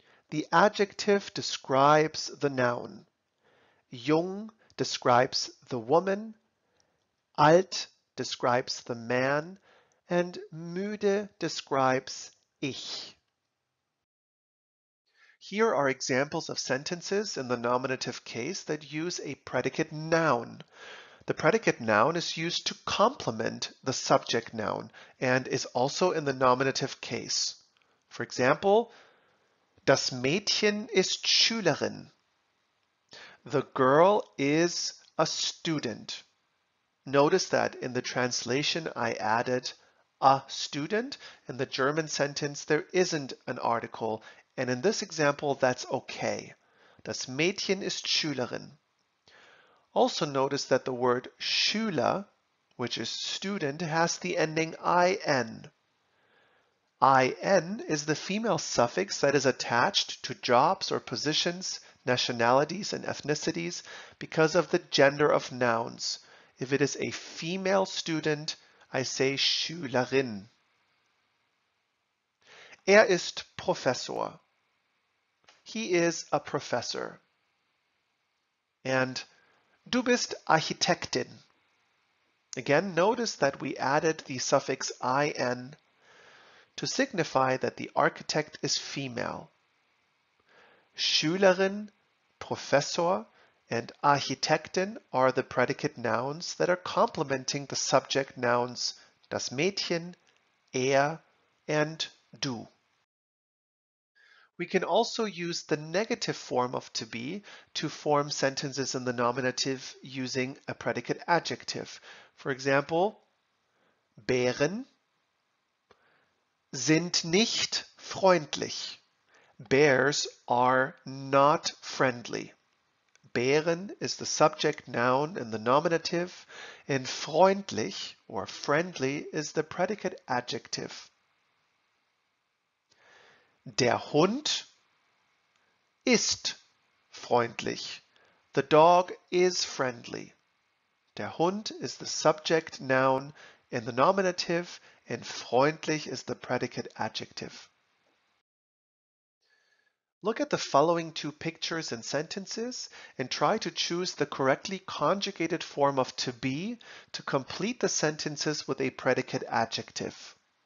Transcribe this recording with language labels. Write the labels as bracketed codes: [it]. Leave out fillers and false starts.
[en] The adjective describes the noun. Jung describes the woman, alt describes the man, and müde describes ich. Here are examples of sentences in the nominative case that use a predicate noun. The predicate noun is used to complement the subject noun and is also in the nominative case. For example, [de] das Mädchen ist Schülerin. [en] The girl is a student. Notice that in the translation I added a student. In the German sentence there isn't an article, and in this example that's okay. [de] Das Mädchen ist Schülerin. [en] Also notice that the word Schüler, which is student, has the ending IN. IN is the female suffix that is attached to jobs or positions, nationalities and ethnicities because of the gender of nouns. If it is a female student, I say Schülerin. [de] Ist Professor. [en] He is a professor. [de] And du bist Architektin. [en] Again, notice that we added the suffix IN to signify that the architect is female. Schülerin, Professor, and Architektin are the predicate nouns that are complementing the subject nouns das Mädchen, and du. We can also use the negative form of to be to form sentences in the nominative using a predicate adjective. For example, [de] Bären sind nicht freundlich. [en] Bears are not friendly. Bären is the subject noun in the nominative, and freundlich or friendly is the predicate adjective. [de] Der Hund ist freundlich. [en] The dog is friendly. Der Hund is the subject noun in the nominative, and freundlich is the predicate adjective. Look at the following two pictures and sentences and try to choose the correctly conjugated form of to be to complete the sentences with a predicate adjective.